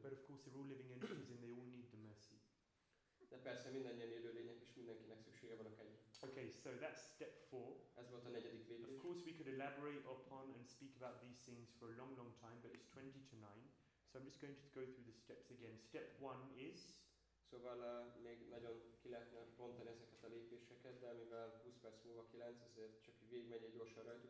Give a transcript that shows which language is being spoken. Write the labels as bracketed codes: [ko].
[en] But of course they're all living entities and they all need the mercy. [hu] De persze mindannyian élőlények és mindenkinek szüksége van a kegyre. [en] Okay, so that's step four. [hu] Ez volt a negyedik lépés. [en] Of course we could elaborate upon and speak about these things for a long, long time, but it's 20 to 9. So I'm just going to go through the steps again. Step one is... [hu] Szóval még nagyon ki lehetne pontani ezeket a lépéseket, de mivel 20 perc múlva 9, ezért csak végigmegy egy gyorsan rajtuk.